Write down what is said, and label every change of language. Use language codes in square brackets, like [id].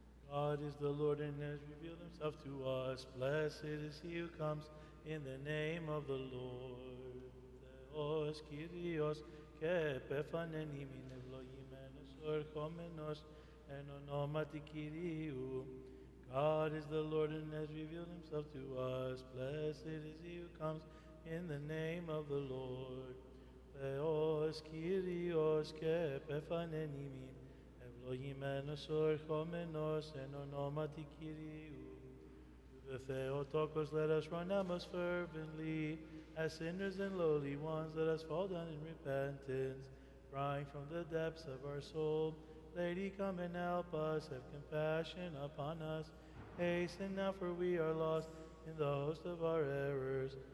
[en] God is the Lord and has revealed himself to us. Blessed is he who comes in the name of the Lord. [el] Theos Kyrios και επέφανε εν ημίν ευλογημένος ο ερχόμενος εν ονόματι Κυρίου. [en] God is the Lord and has revealed himself to us. Blessed is he who comes in the name of the Lord. [el] Theos Kyrios και επέφανε εν ημίν ευλογημένος ο ερχόμενος εν ονόματι Κυρίου. [en] The Theotokos, let us run now most fervently, as sinners and lowly ones, let us fall down in repentance, crying from the depths of our soul, Lady, come and help us, have compassion upon us, hasten now, for we are lost in the host of our errors.